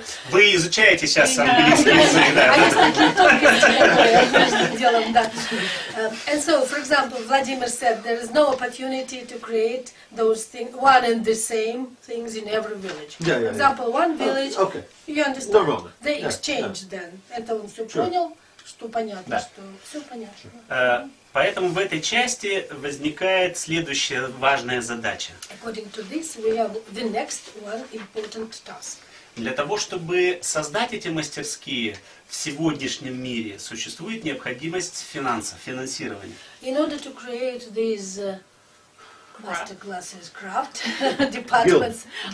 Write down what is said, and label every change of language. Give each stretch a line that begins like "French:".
Russian: Вы изучаете сейчас английский язык, да?
English: And so, for example, Vladimir said there is no opportunity to create those things, one and the same things in every village. For example, one village. Okay. You understand? They exchange then.
Russian: Это он все понял, что понятно, что все понятно. Поэтому в этой части возникает следующая важная задача.
English: According to this, we have the next one important task.
Russian: Для того, чтобы создать эти мастерские в сегодняшнем мире, существует необходимость финансов, финансирования.
English: In order to create these master classes, craft departments,